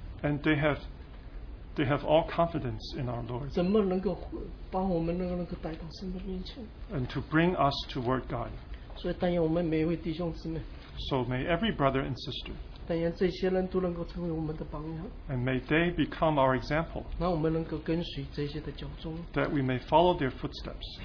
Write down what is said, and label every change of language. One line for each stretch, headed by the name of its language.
English: And they have all confidence in our Lord.
Chinese: 怎么能够把我们那个带到神的面前?
English: And to bring us toward God.
Chinese: 所以但愿我们每一位弟兄姊妹,
English: so may every brother and sister, and may they become our example, that we may follow their footsteps.